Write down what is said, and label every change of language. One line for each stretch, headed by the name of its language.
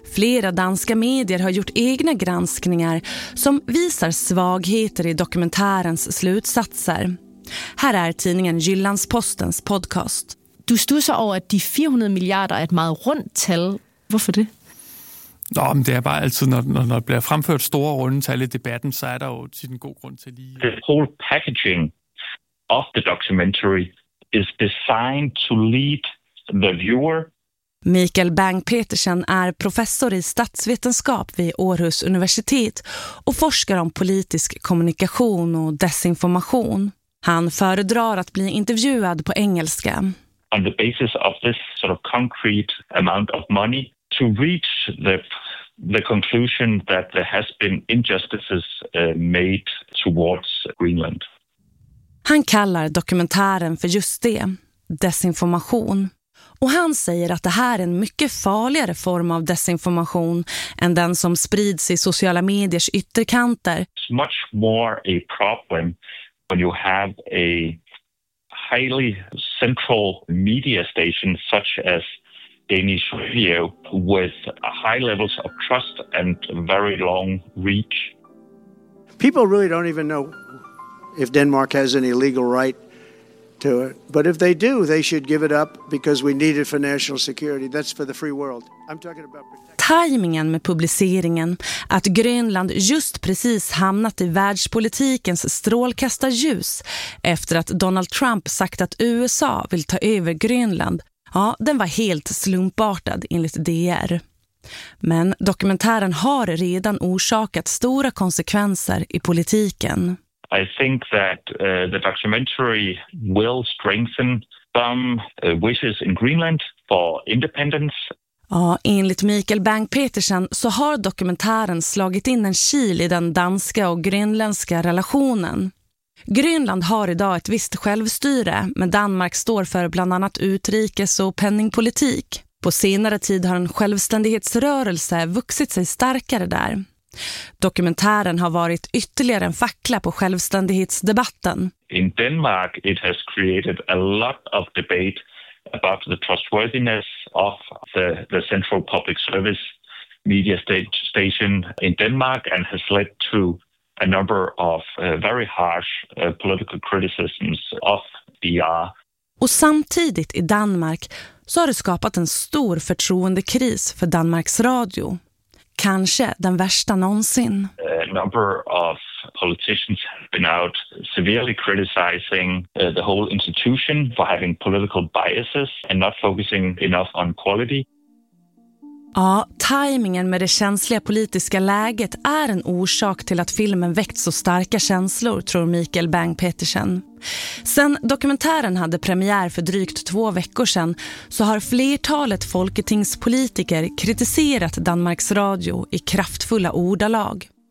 Swedish: Flera danska medier har gjort egna granskningar som visar svagheter i dokumentärens slutsatser. Här är tidningen Jyllandspostens podcast. Du studsar över att de 400 miljarder är ett mycket rundt tal. Varför det? Ja, men det är bara alltid när det blir framfört stora runda tal i debatten så är det ju till en god grund till
English: The whole packaging of the documentary is designed to lead the viewer.
Swedish: Mikael Bang-Petersen är professor i statsvetenskap vid Århus universitet och forskar om politisk kommunikation och desinformation. Han föredrar att bli intervjuad på engelska.
English: On the basis of this sort of concrete amount of money to reach the conclusion that there has been injustices made towards Greenland.
Swedish: Han kallar dokumentären för just det, desinformation. Och han säger att det här är en mycket farligare form av desinformation än den som sprids i sociala mediers ytterkanter.
English: It's much more a problem when you have a highly central media station such as Danish Radio with high levels of trust and very long reach. People really don't even know if Denmark has any legal right to it. But if they do, they should give it up because we need it for national security. That's for the free world. I'm talking
Swedish: about tajmingen med publiceringen, att Grönland just precis hamnat i världspolitikens strålkastarljus efter att Donald Trump sagt att USA vill ta över Grönland, ja, den var helt slumpartad enligt DR. Men dokumentären har redan orsakat stora konsekvenser i politiken.
English: I think that the documentary will strengthen some wishes in Greenland for independence.
Swedish: Ja, enligt Mikael Bang-Petersen så har dokumentären slagit in en kil i den danska och grönländska relationen. Grönland har idag ett visst självstyre, men Danmark står för bland annat utrikes- och penningpolitik. På senare tid har en självständighetsrörelse vuxit sig starkare där. Dokumentären har varit ytterligare en fackla på självständighetsdebatten.
English: In Denmark it has created a lot of debate about the trustworthiness of the central public service media station in Denmark and has led to a number of very harsh political criticisms of DR.
Swedish: Och samtidigt i Danmark så har det skapat en stor förtroendekris för Danmarks radio. Kanske den värsta någonsin.
English: A number of politicians have been out severely criticizing the whole institution for having political biases and not focusing enough on quality.
Swedish: Ja, tajmingen med det känsliga politiska läget är en orsak till att filmen väckt så starka känslor, tror Mikael Bang-Petersen. Sen dokumentären hade premiär för drygt 2 veckor sedan så har flertalet folketingspolitiker kritiserat Danmarks Radio i kraftfulla ordalag.